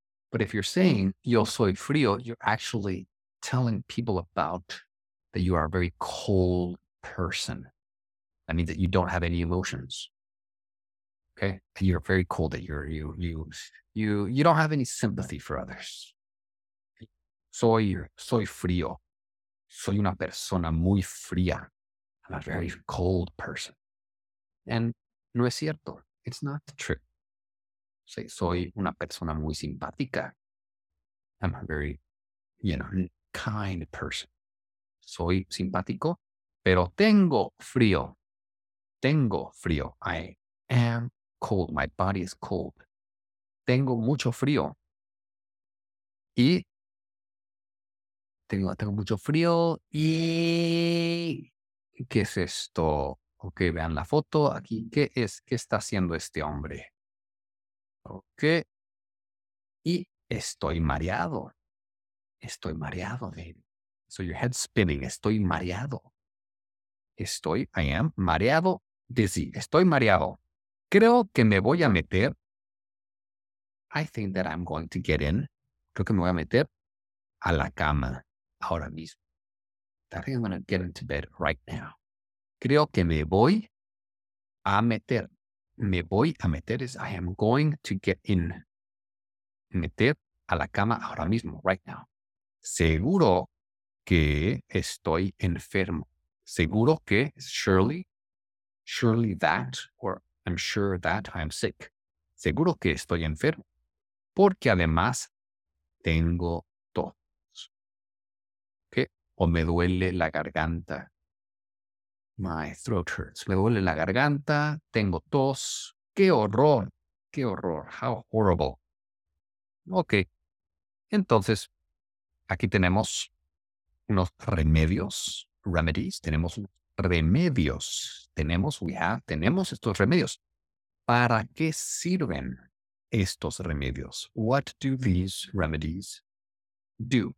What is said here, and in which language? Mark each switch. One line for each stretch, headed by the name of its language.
English: But if you're saying
Spanish: yo soy frío,
English: you're actually telling people about that you are a very cold person. That means that you don't have any emotions, okay? And you're very cold, that you don't have any sympathy for others.
Spanish: Soy frío. Soy una persona muy fría.
English: I'm a very cold person.
Spanish: And no es cierto.
English: It's not true.
Spanish: Say, soy una persona muy simpática.
English: I'm a very, you know, kind person.
Spanish: Soy simpático, pero tengo frío. Tengo frío.
English: I am cold. My body is cold.
Spanish: Tengo mucho frío. Y tengo mucho frío. Y ¿qué es esto? Ok, vean la foto aquí. ¿Qué es? ¿Qué está haciendo este hombre? Ok. Y estoy mareado. Estoy mareado,
English: baby. So your head's spinning. Estoy mareado.
Spanish: Estoy,
English: I am,
Spanish: mareado, dizzy. Estoy mareado. Creo que me voy a meter.
English: I think that I'm going to get in.
Spanish: Creo que me voy a meter a la cama. Ahora mismo.
English: I think I'm going to get into bed right now.
Spanish: Creo que me voy a meter. Me voy a meter
English: is I am going to get in.
Spanish: Meter a la cama ahora mismo,
English: right now.
Spanish: Seguro que estoy enfermo. Seguro que,
English: surely, surely that, or I'm sure that I'm sick.
Spanish: Seguro que estoy enfermo. Porque además tengo tos. ¿Qué? O me duele la garganta.
English: My throat hurts.
Spanish: Me duele la garganta. Tengo tos. ¡Qué horror! ¡Qué horror!
English: How horrible.
Spanish: Ok. Entonces, aquí tenemos unos remedios. Remedies. Tenemos remedios. Tenemos,
English: we have,
Spanish: tenemos estos remedios. ¿Para qué sirven estos remedios?
English: What do these remedies do?